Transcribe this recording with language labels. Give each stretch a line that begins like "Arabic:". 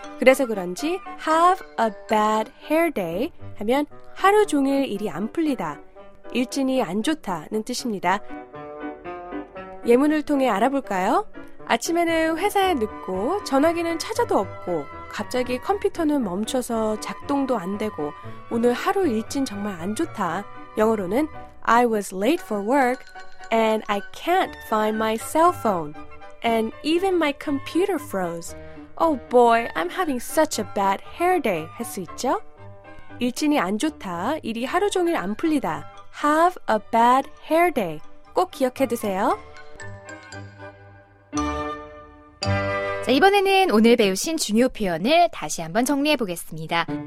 Korean: 그래서 그런지
English: have a bad hair day
Korean: 하면 하루 종일 일이 안 풀리다, 일진이 안 좋다는 뜻입니다. 예문을 통해 알아볼까요? 아침에는 회사에 늦고 전화기는 찾아도 없고 갑자기 컴퓨터는 멈춰서 작동도 안 되고 오늘 하루 일진 정말 안 좋다. 영어로는
English: I was late for work and I can't find my cell phone and even my computer froze. Oh boy, I'm having such a bad hair day
Korean: 할 수 있죠? 일진이 안 좋다, 일이 하루 종일 안 풀리다.
English: Have a bad hair day.
Korean: 꼭 기억해 두세요. 자, 이번에는 오늘 배우신 중요 표현을 다시 한번 정리해 보겠습니다.